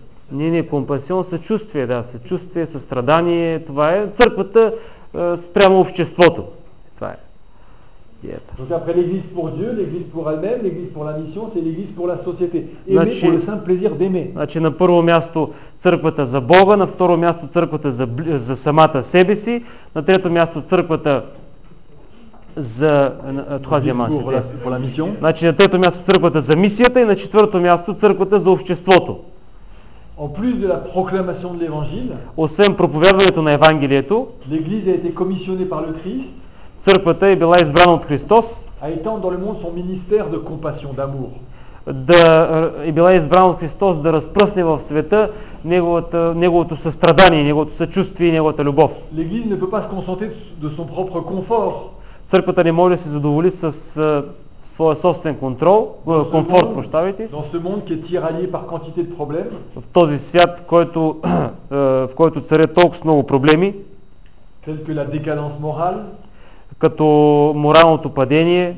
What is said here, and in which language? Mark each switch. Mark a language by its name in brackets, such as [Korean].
[Bulgarian] Не, компасион, съчувствие, да, съчувствие, състрадание, това е църквата спрямо обществото. Това е. Диета. [French] Donc après l'église pour Dieu, l'église pour elle-même, l'église pour la mission, c'est l'église pour la société. Aimer pour le simple plaisir d'aimer. [Bulgarian] Значи на първо място църквата за Бога, на второ място църквата за самата себе си, на трето място църквата за [French] troisième mission pour la mission. [Bulgarian] Значи на трето място църквата за мисията и на четвърто място църквата за обществото. [French] En plus de la proclamation de l'évangile, [Bulgarian] освен проповядването на евангелието, [French] l'église a été commissionnée par le Christ. [Bulgarian] Църквата е била избрана от Христос. [French] A étendre dans le monde son ministère de compassion d'amour. [Bulgarian] Да е била избрана от Христос да разпръсне в света неговото състрадание, неговото съчувствие, неговата любов. [French] L'église ne peut pas se contenter de son propre confort. [Bulgarian] Църквата не може да се задоволи с своя собствен контрол, комфорт, прощавайте. [French] Dans ce monde qui est tiraillé par quantité de problèmes. [Bulgarian] В този свят, който в който царят толкова много проблеми. [French] Tel que la décadence morale. [Bulgarian] Като моралното падение,